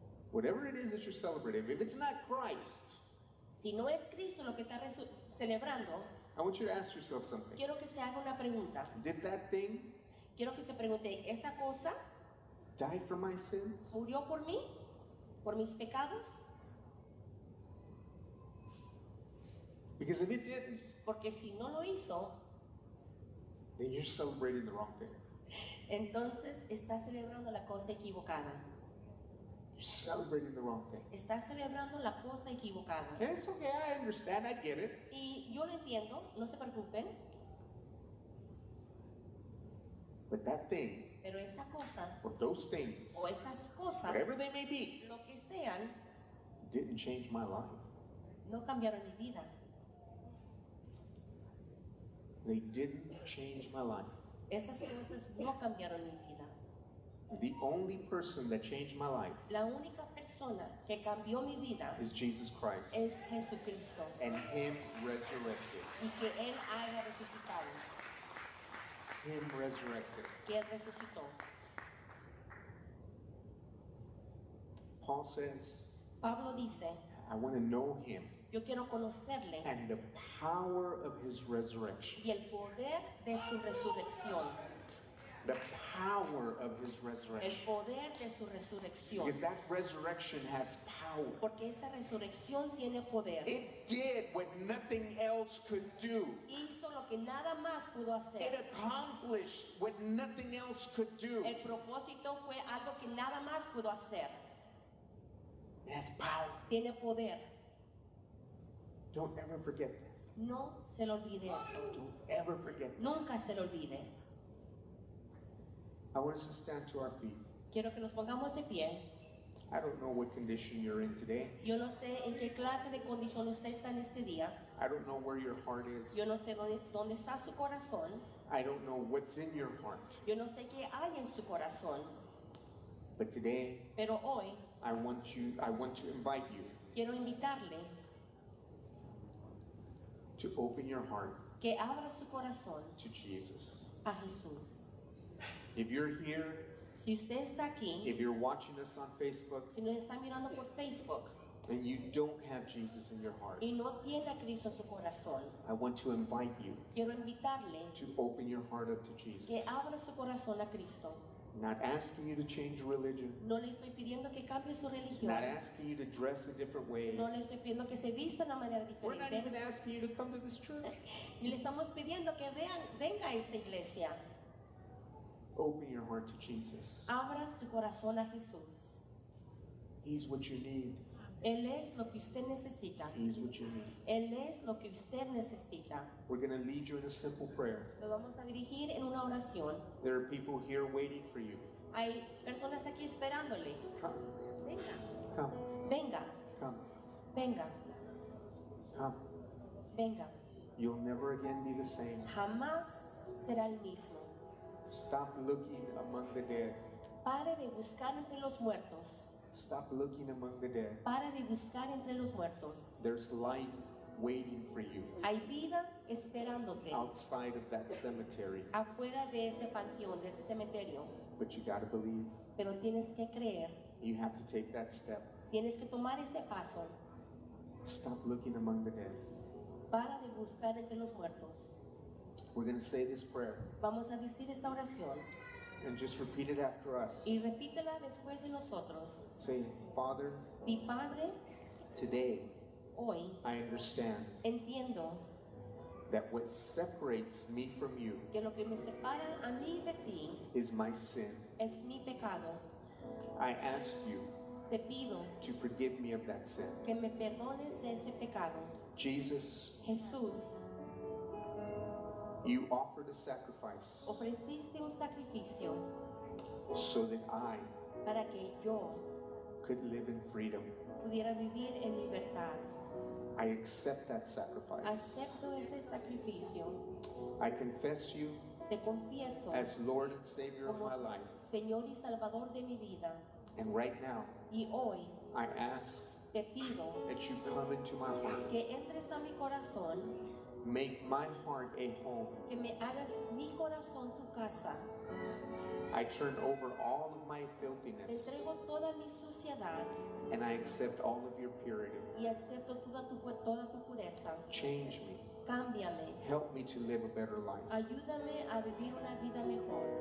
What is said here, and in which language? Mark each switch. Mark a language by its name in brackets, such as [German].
[English] Whatever it is that you're celebrating, if it's not Christ, [Spanish] si no es Cristo lo que está celebrando, [English] I want you to ask yourself something. [Spanish] Quiero que se haga una pregunta. [English] Did that thing [Spanish] Quiero que se pregunte, ¿esa cosa [English] died for my sins? [Spanish] ¿Murió por mí? ¿Por mis pecados? [English] Because if it didn't, [Spanish] porque si no lo hizo, [English] then you're celebrating the wrong thing. [Spanish] Entonces estás celebrando la cosa equivocada. [English] You're celebrating the wrong thing. [Spanish] Estás celebrando la cosa equivocada. [English] It's okay, I understand, I get it. [Spanish] Y yo lo entiendo, no se preocupen. [English] But that thing, [Spanish] pero esa cosa, [English] or those things, [Spanish] o esas cosas, [English] whatever they may be, [Spanish] lo que sean, [English] didn't change my life. [Spanish] No cambiaron mi vida. [English] They didn't change my life. [Spanish] Esas cosas no cambiaron mi vida. [English] The only person that changed my life, [Spanish] la única persona que cambió mi vida, [English] is Jesus Christ. [Spanish] Es Jesucristo. [English] And Him resurrected. [Spanish] Y que Él haya resucitado. [English] Him resurrected. [Spanish] Que resucitó. [English] Paul says, [Spanish] Pablo dice, [English] I want to know Him. [Spanish] Yo quiero conocerle. [English] And the power of His resurrection. [Spanish] Y el poder de su resurrección. [English] The power of His resurrection. [Spanish] El poder de su resurrección. [English] Because that resurrection has power. [Spanish] Porque esa resurrección tiene poder. [English] It did what nothing else could do. [Spanish] Hizo lo que nada más pudo hacer. [English] It accomplished what nothing else could do. [Spanish] El propósito fue algo que nada más pudo hacer. [English] It has power. [Spanish] Tiene poder. [English] Don't ever forget that. [Spanish] No se lo olvide eso. [English] Don't ever forget that. [Spanish] Nunca se lo olvide. [English] I want us to stand to our feet. [Spanish] Quiero que nos pongamos de pie. [English] I don't know what condition you're in today. [Spanish] Yo no sé en qué clase de condición usted está en este día. [English] I don't know where your heart is. [Spanish] Yo no sé dónde está su corazón. [English] I don't know what's in your heart. [Spanish] Yo no sé qué hay en su corazón. [English] But today, [Spanish] pero hoy, [English] I want to invite you. [Spanish] Quiero invitarle [English] to open your heart. [Spanish] Que abra su corazón. [English] To Jesus. [Spanish] A Jesús. [English] If you're here, [Spanish] si usted está aquí, [English] if you're watching us on Facebook, [Spanish] si nos está mirando por Facebook, [English] and you don't have Jesus in your heart, [Spanish] y no tiene a Cristo en su corazón, [English] I want to invite you, [Spanish] quiero invitarle, [English] to open your heart up to Jesus. [Spanish] Que abra su corazón a Cristo. [English] Not asking you to change religion. [Spanish] No le estoy pidiendo que cambie su religión. [English] Not asking you to dress a different way. [Spanish] No le estoy pidiendo que se vista de una manera diferente. [English] We're not even asking you to come to this church. [Spanish] Y le estamos pidiendo que venga a esta iglesia. [English] Open your heart to Jesus. [Spanish] Abra su corazón a Jesús. [English] He's what you need. [Spanish] Él es lo que usted necesita. [English] He's what you need. [Spanish] Él es lo que usted necesita. [English] We're going to lead you in a simple prayer. [Spanish] Lo vamos a dirigir en una oración. [English] There are people here waiting for you. [Spanish] Hay personas aquí esperándole. [English] Come. [Spanish] Venga. [English] Come. [Spanish] Venga. [English] Come. [Spanish] Venga. [English] Come. [Spanish] Venga. [English] You'll never again be the same. [Spanish] Jamás será el mismo. [English] Stop looking among the dead. [Spanish] Pare de buscar entre los muertos. [English] Stop looking among the dead. [Spanish] Pare de buscar entre los muertos. [English] There's life waiting for you. [Spanish] Hay vida esperándote. [English] Outside of that cemetery. [Spanish] Afuera de ese panteón, de ese cementerio. [English] But you gotta believe. [Spanish] Pero tienes que creer. [English] You have to take that step. [Spanish] Tienes que tomar ese paso. [English] Stop looking among the dead. [Spanish] Pare de buscar entre los muertos. [English] We're going to say this prayer. [Spanish] Vamos a decir esta oración. [English] And just repeat it after us. [Spanish] Y repítela después de nosotros. [English] Say, Father. [Spanish] Mi Padre. [English] Today. [Spanish] Hoy. [English] I understand. [Spanish] Entiendo. [English] That what separates me from you. [Spanish] Que lo que me separa a mí de ti. [English] Is my sin. [Spanish] Es mi pecado. [English] I ask you. [Spanish] Te pido. [English] To forgive me of that sin. [Spanish] Que me perdones de ese pecado. [English] Jesus. [Spanish] Jesús. [English] You offered a sacrifice. [Spanish] Ofreciste un sacrificio. [English] So that I. [Spanish] Para que yo. [English] Could live in freedom. [Spanish] Pudiera vivir en libertad. [English] I accept that sacrifice. [Spanish] Acepto ese sacrificio. [English] I confess you. [Spanish] Te confieso. [English] As Lord and Savior of my life. [Spanish] Señor y Salvador de mi vida. [English] And right now. [Spanish] Y hoy. [English] I ask. [Spanish] Te pido. [English] That you come into my heart. [Spanish] Que entres a mi corazón. [English] Make my heart a home. [Spanish] Que me hagas mi corazón tu casa. [English] I turn over all of my filthiness. [Spanish] Te entrego toda mi suciedad. [English] And I accept all of your purity. [Spanish] Y acepto toda tu pureza. [English] Change me. [Spanish] cámbiame. [English] Help me to live a better life. [Spanish] Ayúdame a vivir una vida mejor.